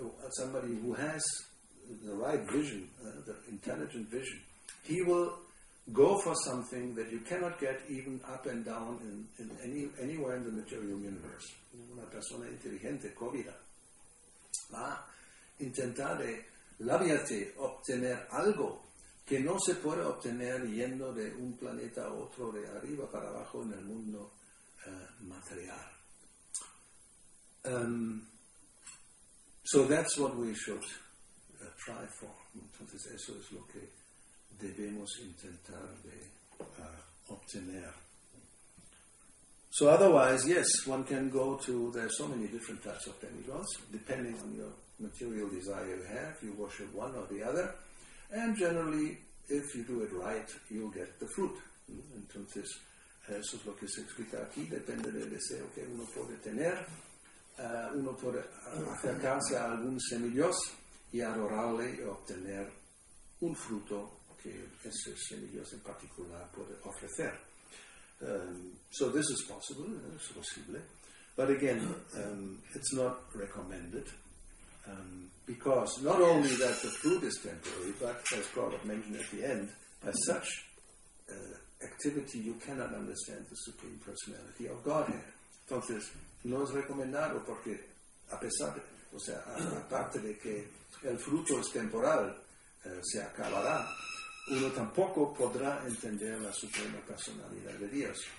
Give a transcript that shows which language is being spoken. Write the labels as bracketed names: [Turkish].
[English] Somebody who has the right vision, the intelligent vision, he will go for something that you cannot get even up and down anywhere in the material universe. [Spanish] Una persona inteligente, kovida, va a intentar de labiate, obtener algo que no se puede obtener yendo de un planeta a otro, de arriba para abajo en el mundo material. [English] So that's what we should try for. [Spanish] Entonces eso es lo que debemos intentar de obtener. [English] So otherwise, yes, one can go to, there are so many different types of demigods, depending on your material desire you have, you worship one or the other, and generally, if you do it right, you'll get the fruit. [Spanish] Entonces, eso es lo que se explica aquí, depende del deseo que uno puede tener, uno puede acercarse a algún semidios y adorarle y obtener un fruto que ese semidios en particular puede ofrecer. [English] So this is possible, [Spanish] es posible, [English] but again, it's not recommended, because not only that the fruit is temporary, but as Prabhupada mentioned at the end, by such activity you cannot understand the Supreme Personality of Godhead. [Spanish] Entonces, no es recomendado porque a pesar de, o sea, aparte de que el fruto es temporal, se acabará, uno tampoco podrá entender la Suprema Personalidad de Dios.